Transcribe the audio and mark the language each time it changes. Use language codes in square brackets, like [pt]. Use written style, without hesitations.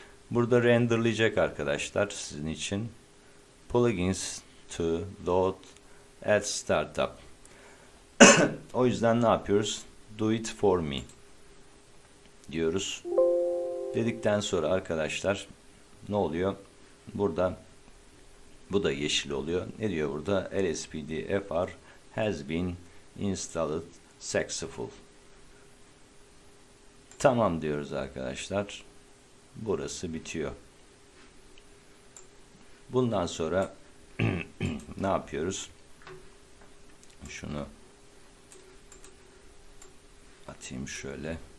[tr] Burada renderleyecek arkadaşlar sizin için. [en] Plugins to load at startup. [tr] O yüzden ne yapıyoruz? [en] Do it for me [tr] diyoruz. Dedikten sonra arkadaşlar ne oluyor? Burada bu da yeşil oluyor. Ne diyor burada? [en] LSPDFR has been installed successful. [tr] Tamam diyoruz arkadaşlar. Burası bitiyor. Bundan sonra ne yapıyoruz? Şunu atayım şöyle.